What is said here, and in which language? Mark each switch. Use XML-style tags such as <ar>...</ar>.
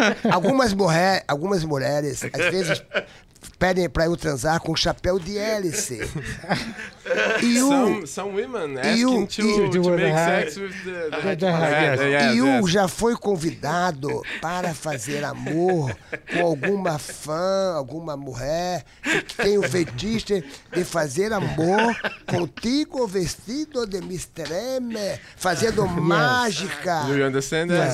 <pt>algumas mulheres, às vezes, pedem para eu transar com chapéu de hélice.</pt> <en>Some women asking to make sex with the hat.</en> <pt>E o já foi convidado para fazer amor com alguma fã, alguma mulher que tem o fetiche de fazer amor contigo vestido de Mr. M, fazendo mágica.</pt> <en>Do you understand that?</en>